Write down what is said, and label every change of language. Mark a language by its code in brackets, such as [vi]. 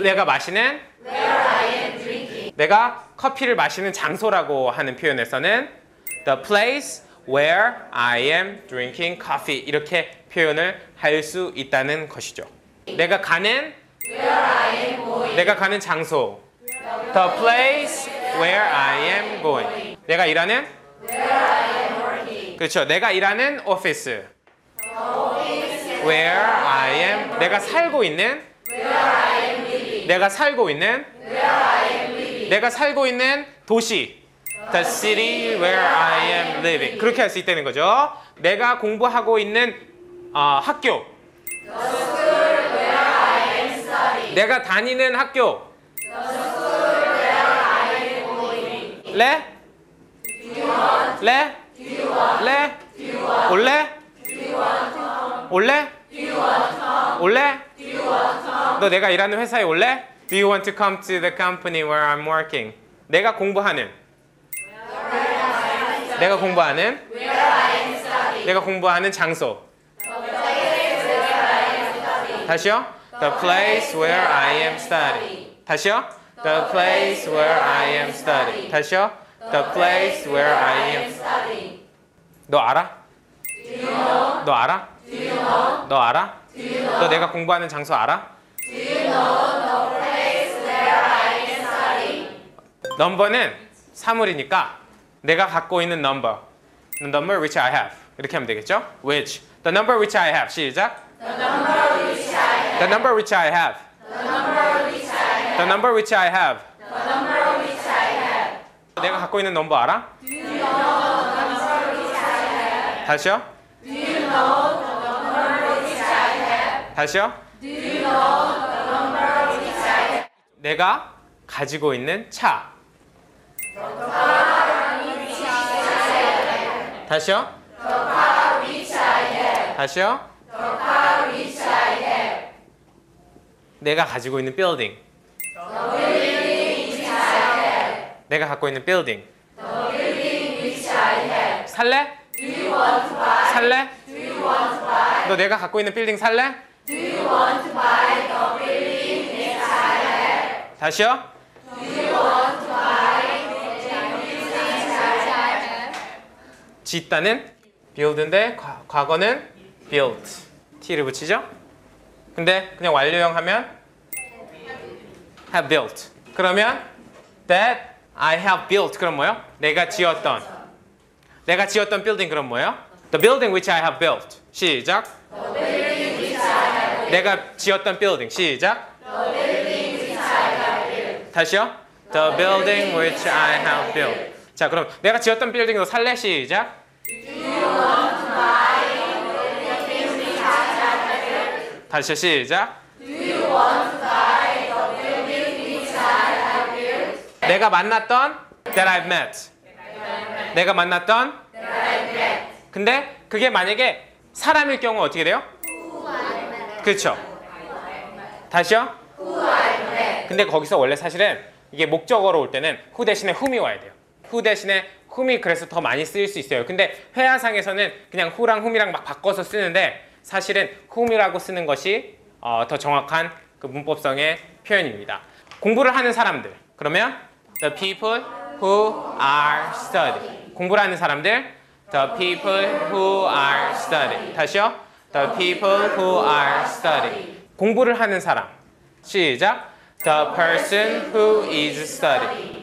[ko] 내가 마시는 [en] where I am drinking [ko] 내가 커피를 마시는 장소라고 하는 표현에서는 [en] the place where I am drinking coffee [ko] 이렇게 표현을 할 수 있다는 것이죠 내가 가는 [en] where I am going [ko] 내가 가는 장소 [en] the place where I am going [ko] 내가 일하는 [en] where I am working [ko] 그렇죠 내가 일하는 office [en] the office where I am [ko] 내가 살고 있는 [en] where I am living [ko] 내가 살고 있는 [en] where I am living [ko] 내가 살고 있는 도시 [en] the city where I am living [ko] 그렇게 할 수 있다는 거죠 내가 공부하고 있는 학교 [en] the school where I am studying [ko] 내가 다니는 학교 레? 레? 레? 올레? 올레? 올레? 너 내가 일하는 회사에 올래? [en] Do you want to come to the company where I'm working? [ko] 내가 공부하는? [en] Where I am studying. [ko] 내가 공부하는? [en] Where I am studying. [ko] 내가 공부하는 장소? [en] The place where I am studying. [ko] 다시요? [en] The place where I am studying. [ko] 다시요? [en] The place where I am studying. [ko] 다시요. [en] The place where I am studying. [ko] 너 알아? [en] Do you know? [ko] 너 알아? [en] Do you know? [ko] 너 알아? [en] Do you know? [ko] 너 내가 공부하는 장소 알아? [en] Do you know the place where I am studying? [ko] 넘버는 사물이니까 내가 갖고 있는 넘버. [en] The number which I have. [ko] 이렇게 하면 되겠죠? [en] Which. The number which I have. [ko] 시작. [en] The number which I have. The number which I have. The number which I have. The number which I have. [ko] 내가 갖고 있는 넘버 알아? [en] Do you know the number which I have? [ko] 다시요? [en] Do you know the number which I have? [ko] 다시요? [en] Do you know the number which I have? [ko] 내가 가지고 있는 차. [en] The car which I have. [ko] 다시요? [en] The car which I have. [ko] 다시요? [en] The car which I have. [ko] 내가 가지고 있는 빌딩. [en] The building which I have [ko] 내가 갖고 있는 building [en] The building which I have [ko] 살래? [en] Do you want to buy? [ko] 살래? [en] Do you want to buy? [ko] 너 내가 갖고 있는 building 살래? [en] Do you want to buy the building which I have? [ko] 다시요? [en] Do you want to buy the building which I have? [ko] 짓다는 build인데 과거는 built T를 붙이죠? 근데 그냥 완료형 하면 [en] have built. [ko] 그러면 [en] that I have built [ko] 그럼 뭐요? 내가 지었던 내가 지었던 빌딩 그럼 뭐요? [en] The building which I have built. [ko] 시작. [en] The building which I have built. [ko] 내가 지었던 빌딩. 시작. [en] The building which I have built. [ko] 다시요. [en] The building which I have built. [ko] 자, 그럼 내가 지었던 빌딩 너 살래? 시작. [en] Do you want to buy the building which I have built? [ko] 다시요. 시작. [en] Do you want to buy [ko] 내가 만났던 [en] that I've met. That I've met. [ko] 내가 만났던 [en] that I've met. [ko] 근데 그게 만약에 사람일 경우 어떻게 돼요? [en] Who I've met. [ko] 그렇죠. [en] Met. [ko] 다시요? [en] Who I've met. 근데 거기서 원래 사실은 이게 목적어로 올 때는 who 대신에 whom이 와야 돼요. who 대신에 whom이 그래서 더 많이 쓰일 수 있어요. 근데 회화상에서는 그냥 who랑 whom이랑 막 바꿔서 쓰는데 사실은 whom이라고 쓰는 것이 더 정확한 그 문법성의 표현입니다. [ko] 공부를 하는 사람들. 그러면 [en] the people who are studying. [ko] 공부를 하는 사람들. [en] The people who are studying. [ko] 다시요. [en] The people who are studying. [ko] 공부를 하는 사람. 시작. [en] The person who is studying.